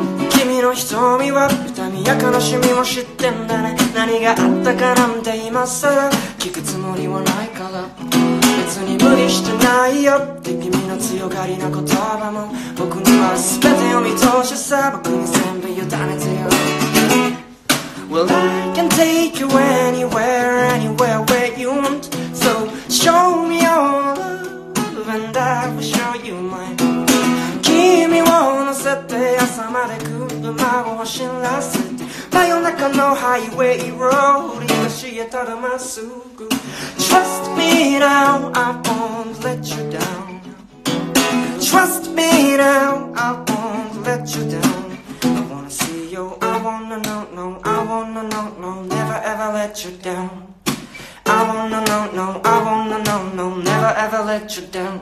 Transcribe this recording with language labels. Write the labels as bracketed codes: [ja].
[ja] 君の瞳は痛みや悲しみも知ってんだね。何があったかなんて今さら聞くつもりはないから。別に無理してないよって君の強がりな言葉も僕には全てを見通しさ、僕に全部委ねてよ。 [en] Well I can take you anywhere, anywhere where you want. So show me your love and I will show you mine. [ja] 君を乗せて朝まで車を走らせて真夜中のハイウェイロード東へただまっすぐ。 [en] Trust me now, I won't let you down. Trust me now, I won't let you down. I wanna see you, I wanna know, no, I wanna know, no, never ever let you down. I wanna know, no, I wanna know, no, never ever let you down.